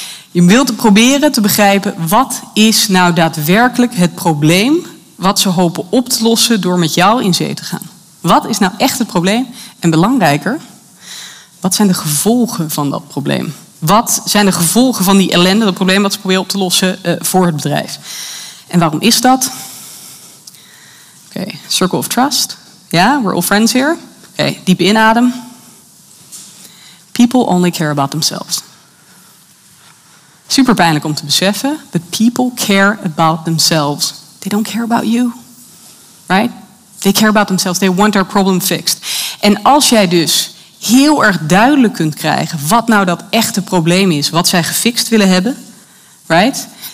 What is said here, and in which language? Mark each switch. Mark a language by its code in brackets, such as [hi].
[nl] Je wilt proberen te begrijpen, wat is nou daadwerkelijk het probleem wat ze hopen op te lossen door met jou in zee te gaan? Wat is nou echt het probleem? En belangrijker, wat zijn de gevolgen van dat probleem? Wat zijn de gevolgen van die ellende, dat probleem wat ze proberen op te lossen voor het bedrijf? En waarom is dat? Okay, [en] circle of trust. Ja, yeah, we're all friends here. Okay, [nl] diep inadem. [en] People only care about themselves. [nl] Super pijnlijk om te beseffen, [en] but people care about themselves. They don't care about you. Right? They care about themselves. They want their problem fixed. [nl] En als jij dus heel erg duidelijk kunt krijgen wat nou dat echte probleem is, wat zij gefixt willen hebben, [en] right?